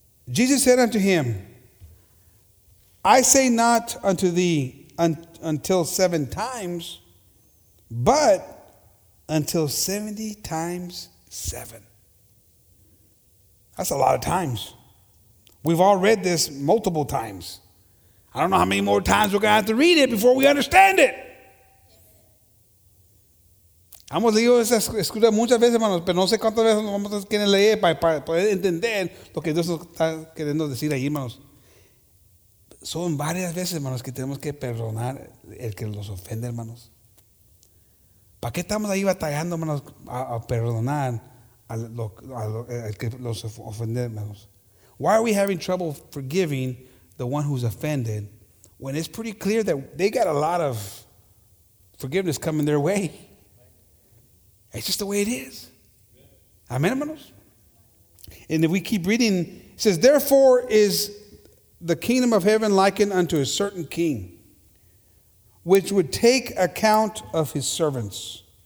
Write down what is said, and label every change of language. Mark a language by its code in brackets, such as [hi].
[en] Jesus said unto him, I say not unto thee until seven times, but until 70 times seven. That's a lot of times. We've all read this multiple times. I don't know how many more times we're going to have to read it before we understand it. [es] Hemos leído esa escritura muchas veces, hermanos, pero no sé cuántas veces vamos a tener que leer para poder entender lo que Dios nos está queriendo decir ahí, hermanos. Son varias veces, hermanos, que tenemos que perdonar el que los ofende, hermanos. ¿Para qué estamos ahí batallando, hermanos, a perdonar al que los ofende, hermanos? [en] Why are we having trouble forgiving the one who's offended, when it's pretty clear that they got a lot of forgiveness coming their way? It's just the way it is. Amen, hermanos? And if we keep reading, it says, therefore is the kingdom of heaven likened unto a certain king, which would take account of his servants.